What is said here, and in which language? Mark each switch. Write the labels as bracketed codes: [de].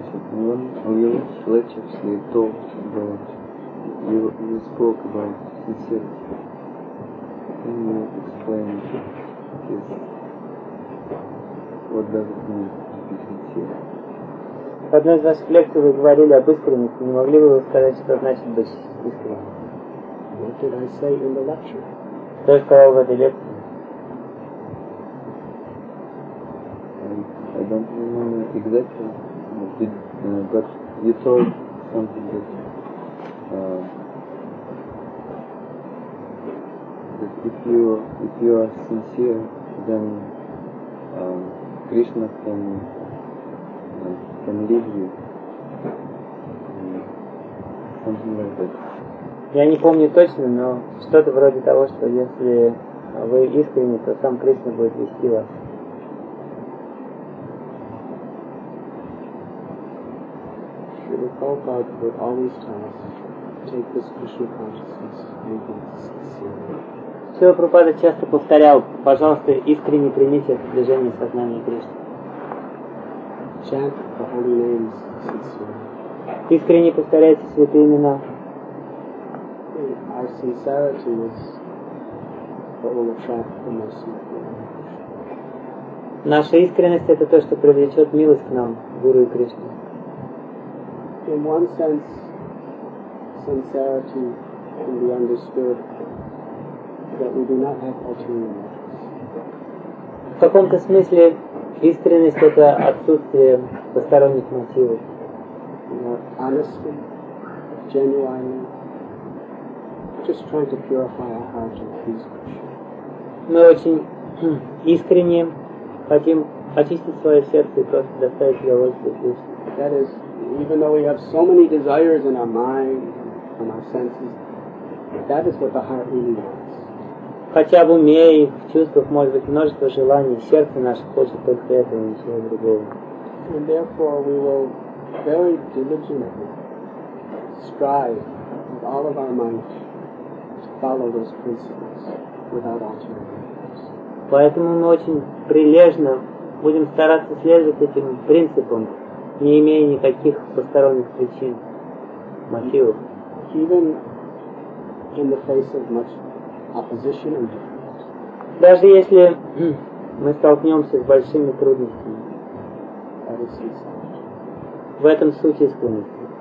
[en] One of your lectures, you talked about, you spoke about sincerity, and you explained this, what does it mean to be sincere. [ru] В одной из наших лекций вы говорили об искренности, не могли бы вы сказать, что значит быть искренним? [en] What did I say in the lecture? [ru] Что я сказал в этой лекции? [en] I don't remember exactly. But you told something that if you are sincere, then Krishna can leave you. Something like that. [ru] Я не помню точно, но что-то вроде того, что если вы искренне, то сам Кришна будет вести вас. [en] Prabhupada would always tell us, take this Krishna consciousness, make it sincere. [ru] Srila Prabhupada часто повторял, пожалуйста, искренне примите это движение сознания Кришны. [en] Chant the holy names sincerely. [ru] Искренне повторяйте святые имена. [en] Our sincerity is what will attract the most important. [ru] Наша искренность — это то, что привлечет милость к нам, Гуру и Кришне. [en] In one sense, sincerity can be understood that we do not have ulterior motives. [ru] В каком-то смысле искренность — это отсутствие посторонних мотивов. [en] Honesty, genuinely, just trying to purify our hearts and please Krishna. [ru] Мы очень искренне хотим очистить свое сердце и просто доставить удовольствие Кришне. [en] That is, even though we have so many desires in our mind, from our senses, that is what the heart really wants. [ru] Хотя в уме и в чувствах может быть множество желаний, сердце наше хочет только этого, ничего другого. [en] And therefore we will very diligently strive with all of our might to follow those principles without altering them. [ru] Поэтому мы очень прилежно будем стараться следовать этим принципам, не имея никаких посторонних причин, мотивов. [en] Even in the face of much opposition and difficulties. [ru] Даже если мы столкнемся с большими трудностями, в этом суть искренности.